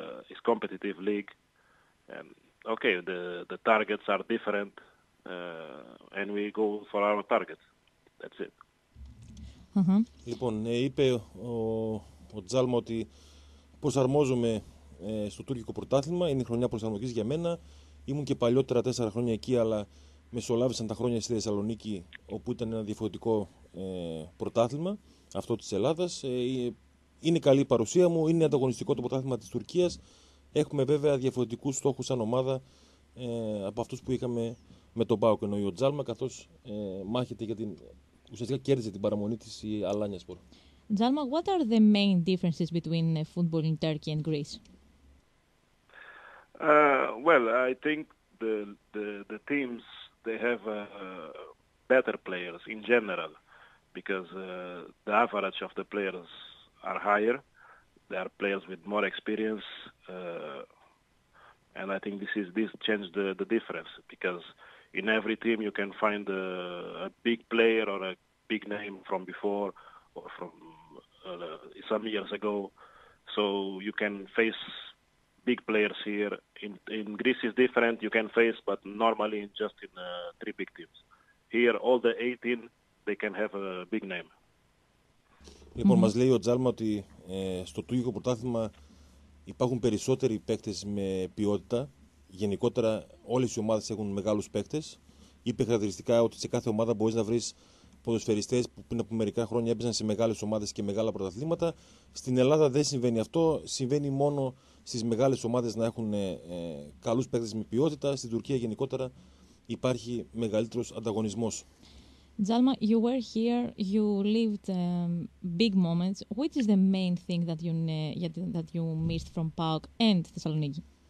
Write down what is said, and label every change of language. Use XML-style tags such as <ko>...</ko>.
<en>It's competitive league. Okay, the targets are different, and we go for our targets. That's it. Mm-hmm.</en> <el>Λοιπόν, είπε ο Τζάλμα ότι προσαρμόζομαι στο τουρκικό πρωτάθλημα. Είναι χρονιά προσαρμογής για μένα. Ήμουν και παλιότερα 4 χρόνια εκεί, αλλά μεσολάβησαν τα χρόνια στη Θεσσαλονίκη, όπου ήταν ένα διαφορετικό πρωτάθλημα, αυτό της Ελλάδας. Είναι καλή η παρουσία μου, είναι ανταγωνιστικό το πρωτάθλημα της Τουρκίας. Έχουμε βέβαια διαφορετικούς στόχους σαν ομάδα από αυτούς που είχαμε με τον ΠΑΟΚ, εννοεί ο Τζάλμα, καθώς μάχεται για την. Ουσιαστικά κέρδισε την παραμονή της η Αλάνιασπορ.</el> <en>Τζάλμα, what are the main differences between football in Turkey and Greece? Well, I think the teams they have better players in general because the average of the players are higher. There are players with more experience, and I think this changed the difference because in every team you can find a big player or a big name from before or from some years ago. So you can face big players here. In Greece is different. You can face, but normally just in three big teams. Here, all the 18, they can have a big name.</en> <el>Λοιπόν, μας λέει ο Τζάλμα ότι στο τουρκικό πρωτάθλημα υπάρχουν περισσότεροι παίκτες με ποιότητα. Γενικότερα, όλες οι ομάδες έχουν μεγάλους παίκτες. Είπε χαρακτηριστικά ότι σε κάθε ομάδα μπορείς να βρεις ποδοσφαιριστές που πριν από μερικά χρόνια έπαιζαν σε μεγάλες ομάδες και μεγάλα πρωταθλήματα. Στην Ελλάδα δεν συμβαίνει αυτό. Συμβαίνει μόνο στις μεγάλες ομάδες να έχουν καλούς παίκτες με ποιότητα. Στην Τουρκία γενικότερα υπάρχει μεγαλύτερος ανταγωνισμός.</el> <en>Τζάλμα, you were here, you lived big moments. Which is the main thing that you missed from PAOK and Thessaloniki?</en>